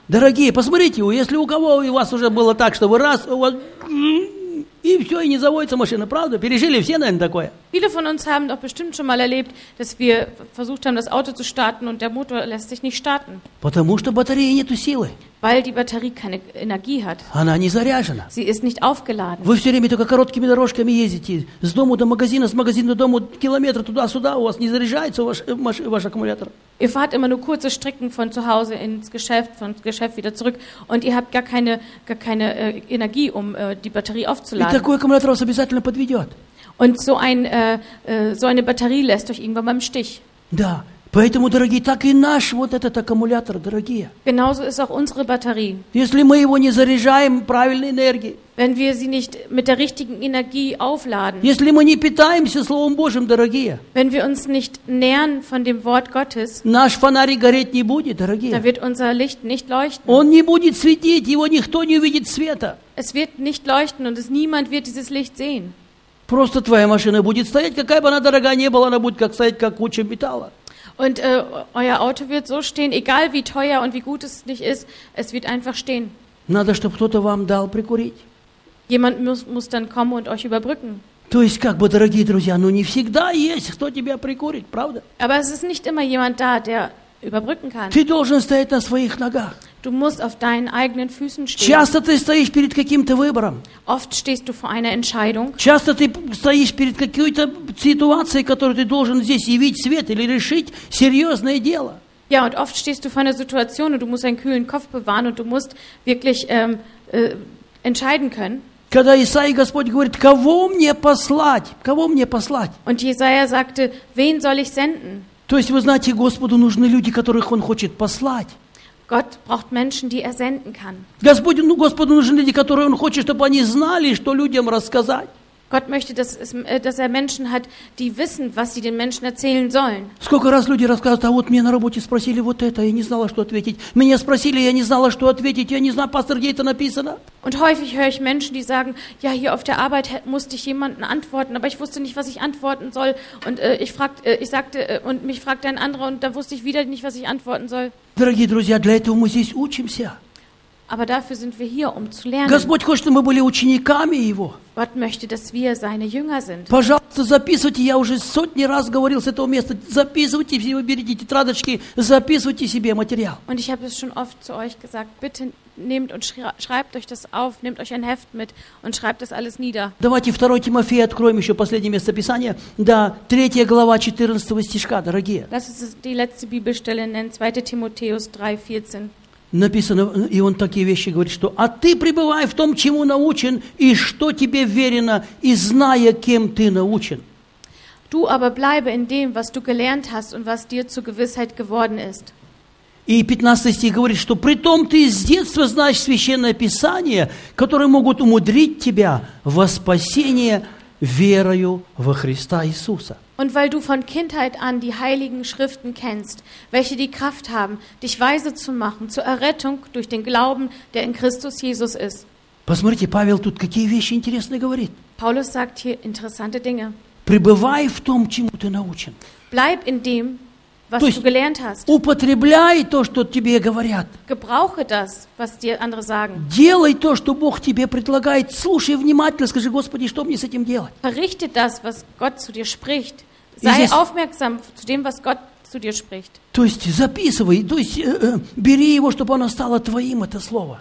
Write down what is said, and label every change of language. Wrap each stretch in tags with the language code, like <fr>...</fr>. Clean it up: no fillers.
<ru>Дорогие, посмотрите, если у кого у вас уже было так, что вы раз, у вас и все, и не заводится машина, правда? Пережили все, наверное, такое.</ru> <de>Viele von uns haben doch bestimmt schon mal erlebt, dass wir versucht haben, das Auto zu starten und der Motor lässt sich nicht starten.</de> <ru>Потому что батареи нету силы.</ru> <de>Weil die Batterie keine Energie hat.</de> <ru>Она не заряжена.</ru> <de>Sie ist nicht aufgeladen.</de> <ru>Вы все время только короткими дорожками ездите. С дому до магазина, с магазина до дому, километр туда-сюда, у вас не заряжается ваш аккумулятор.</ru> <de>Ihr fahrt immer nur kurze Strecken von zu Hause ins Geschäft, von Geschäft wieder zurück und ihr habt gar keine Energie, um die Batterie aufzuladen.</de> <ru>И такой аккумулятор вас обязательно подведет.</ru> <de>Und so eine Batterie lässt euch irgendwann mal im Stich.</de> <ru>Да, поэтому, дорогие, так и наш вот этот аккумулятор, дорогие.</ru> <de>Genauso ist auch unsere Batterie.</de> <ru>Если мы его не заряжаем правильной энергией.</ru> <de>Wenn wir sie nicht mit der richtigen Energie aufladen.</de> <ru>Если мы не питаемся Словом Божьим, дорогие.</ru> <de>Wenn wir uns nicht nähren von dem Wort Gottes.</de> <ru>Наш фонарь гореть не будет, дорогие.</ru> <de>Dann wird unser Licht nicht leuchten.</de> <ru>Он не будет светить, его никто не увидит света.</ru> <de>Es wird nicht leuchten und niemand wird dieses Licht sehen.</de> <ru>Просто твоя машина будет стоять, какая бы она дорогая ни была, она будет как стоять, как куча металла.</ru> <de>Und euer Auto wird so stehen, egal wie teuer und wie gut es nicht ist, es wird einfach stehen.</de> <ru>Надо, чтобы кто-то вам дал прикурить.</ru> <de>Jemand muss dann kommen und euch überbrücken.</de> <ru>То есть, как бы, дорогие друзья, ну не всегда есть, кто тебя прикурит, правда?</ru> <de>Aber es ist nicht immer jemand da, der überbrücken kann.</de> <ru>Ты должен стоять на своих ногах.</ru> <de>Du musst auf deinen eigenen Füßen stehen.</de> <ru>Часто ты стоишь перед каким-то выбором.</ru> <de>Oft stehst du vor einer Entscheidung.</de> <ru>Часто ты стоишь перед какой-то ситуацией, которую ты должен здесь явить свет или решить серьезное дело.</ru> <de>Ja, und oft stehst du vor einer Situation und du musst einen kühlen Kopf bewahren und du musst wirklich entscheiden können.</de> <ru>Когда Исаии Господь говорит: кого мне послать? Кого мне послать?</ru> <de>Und Jesaja sagte: wen soll ich senden?</de> <ru>То есть, вы знаете, Господу нужны люди, которых Он хочет послать.</ru> <de>Gott braucht Menschen, die er senden kann.</de> <ru>Господу нужны люди, которые Он хочет, чтобы они знали, что людям рассказать.</ru> <de>Gott möchte, dass er Menschen hat, die wissen, was sie den Menschen erzählen sollen.</de> <ru>Сколько раз люди рассказывают: а вот мне на работе спросили вот это, я не знала, что ответить. Меня спросили, я не знала, что ответить. Я не знаю, пастор, где это написано.</ru> <de>Und häufig höre ich Menschen, die sagen: ja, hier auf der Arbeit musste ich jemanden antworten, aber ich wusste nicht, was ich antworten soll. Und mich fragte ein anderer, und da wusste ich wieder nicht, was ich antworten soll.</de> <ru>Дорогие друзья, для этого мы здесь учимся.</ru> <de>Aber dafür sind wir hier, um zu lernen.</de> <ru>Господь хочет, чтобы мы были учениками Его.</ru> <de>Gott möchte, dass wir seine Jünger sind.</de> <ru>Пожалуйста, записывайте. Я уже сотни раз говорил с этого места. Записывайте себе, берите тетрадочки, записывайте себе материал.</ru> <de>Und ich habe es schon oft zu euch gesagt. Bitte nehmt und schreibt euch das auf. Nehmt euch ein Heft mit und schreibt das alles nieder.</de> <ru>Давайте 2 Тимофея откроем еще последнее место Писания. Да, 3 глава 14 стишка, дорогие.</ru> <de>Das ist die letzte Bibelstelle in 2 Timotheus 3, 14.</de> <ru>Написано, и он такие вещи говорит, что «А ты пребывай в том, чему научен, и что тебе верено, и зная, кем ты научен».</ru> <de>Du aber bleibe in dem, was du gelernt hast und was dir zur Gewissheit geworden ist.</de> <ru>И 15 стих говорит, что «Притом ты с детства знаешь Священное Писание, которые могут умудрить тебя во спасение верою во Христа Иисуса».</ru> <de>Und weil du von Kindheit an die heiligen Schriften kennst, welche die Kraft haben, dich weise zu machen zur Errettung durch den Glauben, der in Christus Jesus ist.</de> <ru>Посмотрите, Павел тут какие вещи интересные говорит.</ru> <de>Paulus sagt hier interessante Dinge.</de> <ru>Пребывай в том, чему ты научен.</ru> <de>Bleib in dem, was du gelernt hast.</de> <ru>Употребляй то, что тебе говорят.</ru> <de>Gebrauche das, was dir andere sagen.</de> <ru>Делай то, что Бог тебе предлагает. Слушай внимательно, скажи, Господи, что мне с этим делать?</ru> <de>Verrichte das, was Gott zu dir spricht. Sei</de> <ru>здесь...</ru> <de>aufmerksam zu dem, was Gott zu dir spricht.</de> <ru>То есть записывай, то есть бери его, чтобы оно стало твоим, это слово.</ru>